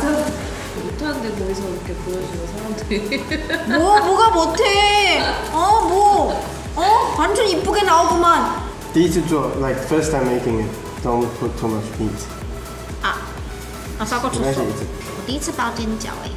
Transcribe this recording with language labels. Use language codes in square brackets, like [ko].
[ko] 못하는데 거기서 이렇게 보여주는 사람들이 뭐 뭐가 못해 어 뭐 어? 완전 이쁘게 나오구만 [en] This is like first time making it Don't put too much meat [ko] 아 싸고쳤어 [zh] 第一次 包煎饺